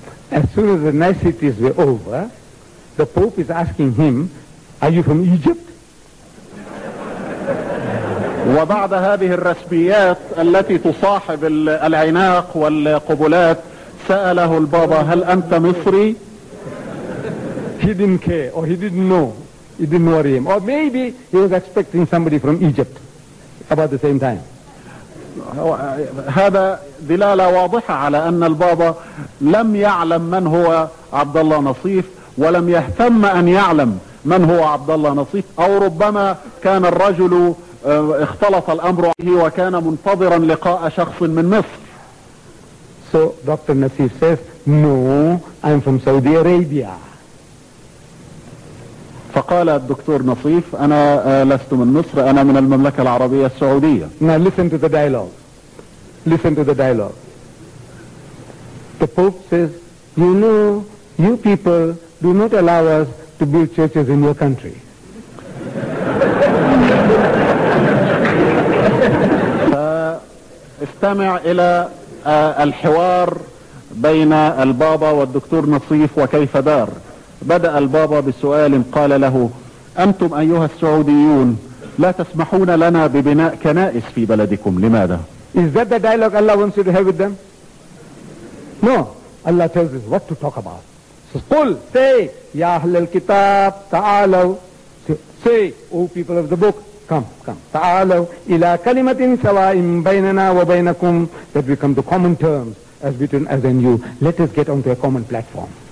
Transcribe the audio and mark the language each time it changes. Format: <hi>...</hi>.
<en>As soon as the niceties were over, the Pope is asking him, are you from Egypt?</en> <ar>وبعد هذه الرسميات التي تصاحب العناق والقبلات سأله البابا هل أنت مصري؟</ar> <en>He didn't care or he didn't know. It didn't worry him. Or maybe he was expecting somebody from Egypt about the same time.</en> <ar>هذا دلالة واضحة على أن البابا لم يعلم من هو عبد الله نصيف ولم يهتم أن يعلم من هو عبد الله نصيف أو ربما كان الرجل اختلط الأمر عليه وكان منتظرا لقاء شخص من مصر.</ar> <en>So Dr. Nasif says, no, I'm from Saudi Arabia.</en> <ar>فقال الدكتور نصيف أنا لست من مصر أنا من المملكة العربية السعودية.</ar> <en>Now listen to the dialogue. The Pope says, you know, you people do not allow us to build churches in your country.</en> <ar>استمع إلى الحوار بين البابا والدكتور نصيف وكيف دار. بدأ البابا بسؤال قال له أنتم أيها السعوديون لا تسمحون لنا ببناء كنائس في بلدكم لماذا؟</ar> <en>Is that the dialogue Allah wants you to have with them? No. Allah tells us what to talk about.</en> <ar>قل</ar> <en>say</en> <ar>يا أهل الكتاب تعالوا</ar> <en>say O people of the book come</en> <ar>تعالوا إلى كلمة سواء بيننا وبينكم</ar> <en>that we come to common terms as between us and you let us get onto a common platform</en>